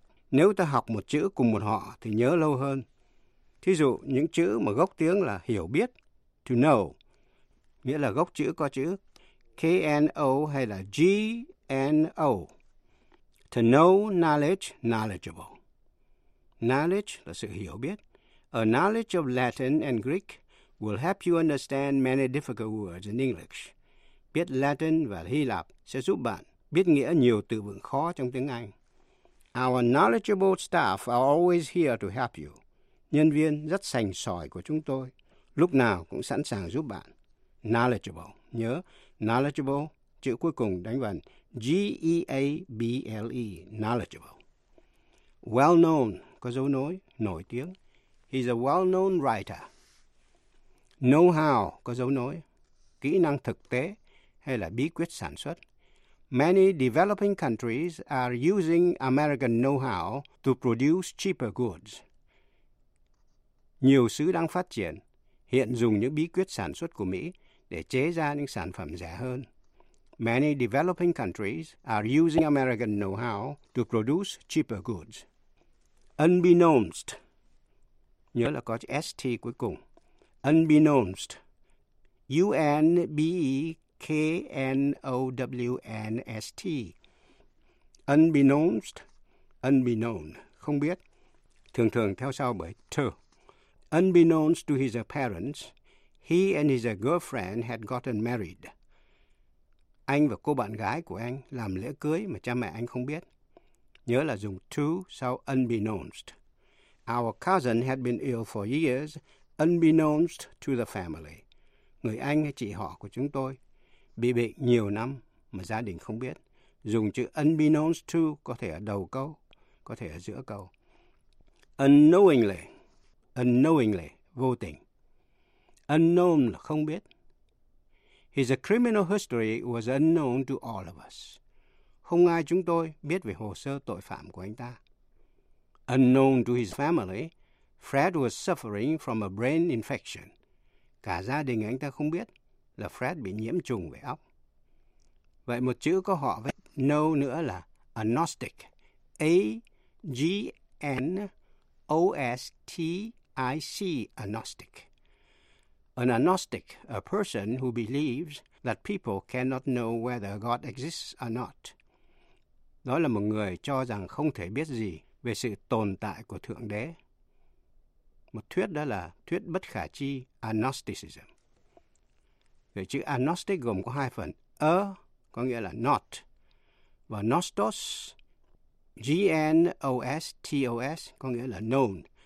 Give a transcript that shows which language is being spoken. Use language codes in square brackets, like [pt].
[vi] Nếu ta học một chữ cùng một họ thì nhớ lâu hơn. Thí dụ, những chữ mà gốc tiếng là hiểu biết, to know, nghĩa là gốc chữ có chữ K-N-O hay là G-N-O. [en] To know, knowledge, knowledgeable. Knowledge [vi] là sự hiểu biết. [en] A knowledge of Latin and Greek will help you understand many difficult words in English. [vi] Biết Latin và Hy Lạp sẽ giúp bạn biết nghĩa nhiều từ vựng khó trong tiếng Anh. [en] Our knowledgeable staff are always here to help you. [vi] Nhân viên rất sành sỏi của chúng tôi lúc nào cũng sẵn sàng giúp bạn. Knowledgeable. Nhớ, knowledgeable, chữ cuối cùng đánh vần G-E-A-B-L-E, knowledgeable. Well-known, có dấu nối, nổi tiếng. [en] He's a well-known writer. [vi] Know-how, có dấu nối, kỹ năng thực tế hay là bí quyết sản xuất. [en] Many developing countries are using American know-how to produce cheaper goods. [vi] Nhiều xứ đang phát triển, hiện dùng những bí quyết sản xuất của Mỹ để chế ra những sản phẩm rẻ hơn. [en] Many developing countries are using American know-how to produce cheaper goods. [vi] Unbeknownst, nhớ là có chữ ST cuối cùng. [en] Unbeknownst, U-N-B-E-K-N-O-W-N-S-T. [vi] Unbeknownst, unbeknown, không biết, thường thường theo sau bởi to. [en] Unbeknownst to his parents, he and his girlfriend had gotten married. [vi] Anh và cô bạn gái của anh làm lễ cưới mà cha mẹ anh không biết. Nhớ là dùng to sau unbeknownst. [en] Our cousin had been ill for years, unbeknownst to the family. [vi] Người anh hay chị họ của chúng tôi bị bệnh nhiều năm mà gia đình không biết. Dùng chữ unbeknownst to có thể ở đầu câu, có thể ở giữa câu. [en] Unknowingly, unknowingly, vô tình. Unknown [vi] là không biết. [en] His criminal history was unknown to all of us. [vi] không ai chúng tôi biết về hồ sơ tội phạm của anh ta. [en] Unknown to his family, Fred was suffering from a brain infection. [vi] Cả gia đình anh ta không biết là Fred bị nhiễm trùng về óc. Vậy một chữ có họ với no nữa là agnostic. [en] A-G-N-O-S-T-I-C, agnostic. An agnostic, a person who believes that people cannot know whether God exists or not. [vi] Đó là một người cho rằng không thể biết gì về sự tồn tại của Thượng Đế. Một thuyết đó là thuyết bất khả chi, agnosticism. Vậy chữ agnostic gồm có hai phần. A, có nghĩa là not. Và nostos, G-N-O-S-T-O-S, có nghĩa là known.